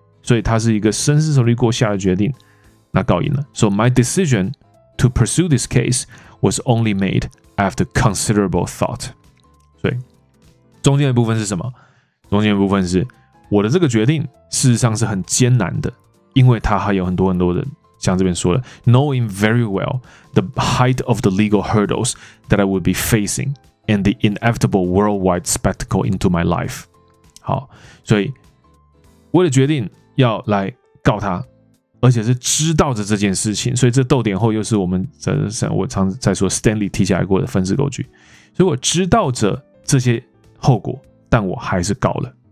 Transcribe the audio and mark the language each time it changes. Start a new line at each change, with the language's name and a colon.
Chinese: 所以他是一个深思熟虑过下的决定，那告赢了。
English: So my decision to pursue this case was only made after considerable thought。
Chinese: 所以中间的部分是什么？中间的部分是我的这个决定事实上是很艰难的，因为他还有很多很多的。像这边说的
English: ，knowing very well the height of the legal hurdles that I would be facing and the inevitable worldwide spectacle into my life。
Chinese: 好，所以为了决定要来告他，而且是知道着这件事情，所以这逗点后又是我们我常在说 Stanley 提起来过的分支构句。所以我知道着这些后果，但我还是告了。